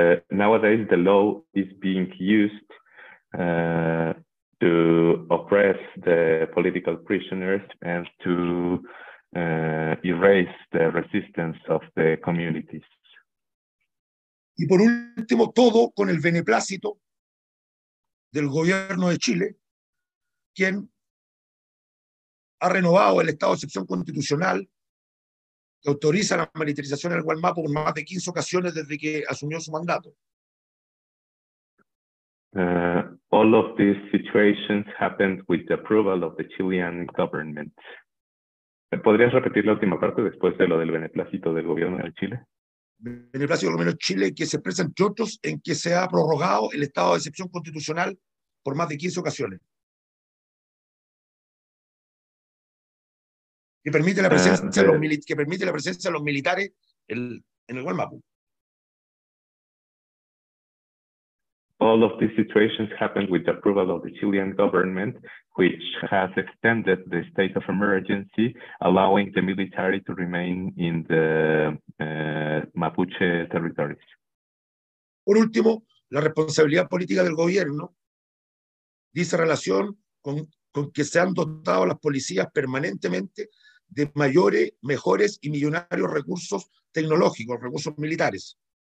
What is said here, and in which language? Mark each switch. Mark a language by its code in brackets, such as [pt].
[en] Nowadays, the law is being used to oppress the political prisoners and to erase the resistance of the communities. [es] Y por último, todo con el beneplácito del gobierno de Chile, quien ha renovado el estado de excepción constitucional que autoriza la militarización del Gualmapu por más de 15 ocasiones desde que asumió su mandato. [en] All of these situations happened with the approval of the Chilean government. [es] ¿Podrías repetir la última parte después de lo del beneplácito del gobierno de Chile? Beneplácito del gobierno de Chile que se expresa entre otros en que se ha prorrogado el estado de excepción constitucional por más de 15 ocasiones. Que permite la presencia de los militares en el Gualmapu. [en] All of these situations happened with the approval of the Chilean government, which has extended the state of emergency, allowing the military to remain in the Mapuche territories. [es] Por último, la responsabilidad política del gobierno dice relación con que se han dotado las policías permanentemente de mayores, mejores y millonarios recursos tecnológicos, recursos militares.